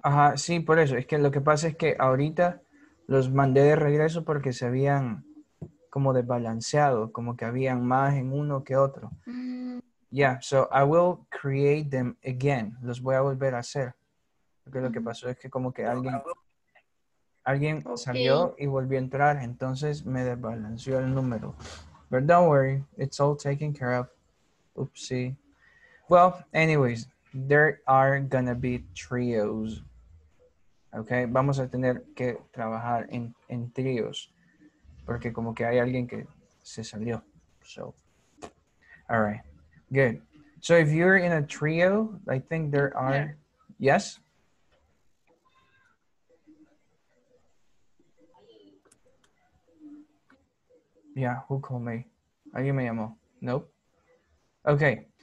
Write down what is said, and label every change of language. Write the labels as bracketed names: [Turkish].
[Spanish] Ajá, sí, por eso. Es que lo que pasa es que ahorita los mandé de regreso porque se habían como desbalanceado, como que habían más en uno que otro. Mm. [English] Yeah, so I will create them again. [Spanish] Los voy a volver a hacer. Porque lo que pasó es que como que alguien okay. Salió y volvió a entrar, entonces me desbalanceó el número. [English] But don't worry, it's all taken care of. Oopsie. Well, anyways, there are gonna be trios, okay? [Spanish] Vamos a tener que trabajar en tríos, porque como que hay alguien que se salió, so. [English] All right, good. So if you're in a trio, I think there are, yeah. Yes? Yeah, who called me? [Spanish] Alguien me llamó, [English] nope. Okay.